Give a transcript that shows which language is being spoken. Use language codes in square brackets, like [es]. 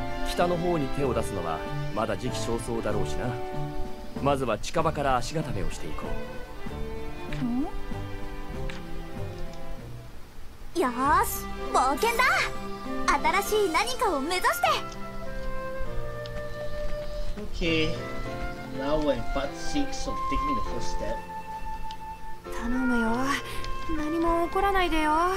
[ja] 北の方に手を出すのはまだ時期尚早だろうしな。まずは近場から足固めをしていこう。よし、冒険だ。新しい何かを目指して。 [en] OK、 now we're in part 6 of taking the first step。 [ja] 頼むよ、何も起こらないでよ。